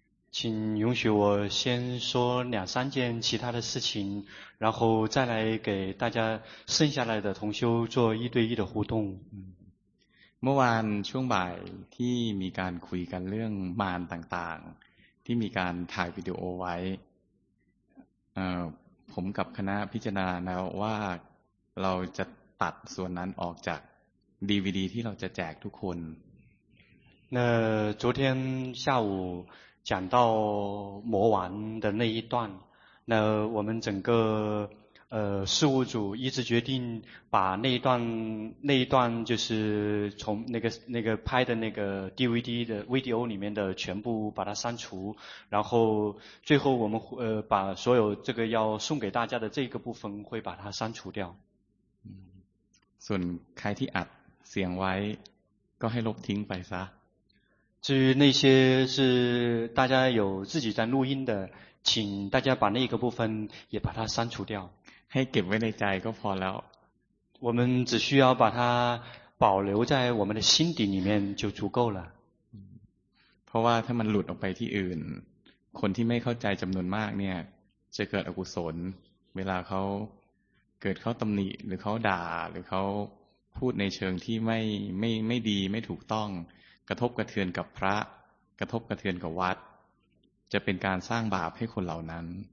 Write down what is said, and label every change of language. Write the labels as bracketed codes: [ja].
[zh] 请允许我先说两三件其他的事情，然后再来给大家剩下来的同修做一对一的互动。 [th] เมื่อวานช่วงบ่ายที่มีการคุยกันเรื่องมารต่างๆที่มีการถ่ายวิดีโอไว้ผมกับคณะพิจารณาแล้วว่าเราจะตัดส่วนนั้นออกจากดีวีดีที่เราจะแจกทุกคน [zh] 那昨天下午讲到魔王的那一段，那我们整个事务组一直决定把那一段就是从那个拍的那个 DVD 的 VDO 里面的全部把它删除，然后最后我们把所有这个要送给大家的这个部分会把它删除掉。 [th] ส่วนใครที่อัดเสียงไว้ก็ให้ลบทิ้งไปซะ [zh] 至于那些是大家有自己在录音的，请大家把那个部分也把它删除掉。 [th] ให้เก็บไว้ในใจก็พอแล้ว。 [zh] 我们只需要把它保留在我们的心底里面就足够了。 [th] เพราะว่าถ้ามันหลุดออกไปที่อื่น，คนที่ไม่เข้าใจจำนวนมากเนี่ย，จะเกิดอกุศล。 เวลาเขาเกิดเขาตำหนิหรือเขาด่าหรือเขาพูดในเชิงที่ไม่ดีไม่ถูกต้องกระทบกระเทือนกับพระกระทบกระเทือนกับวัดจะเป็นการสร้างบาปให้คนเหล่านั้น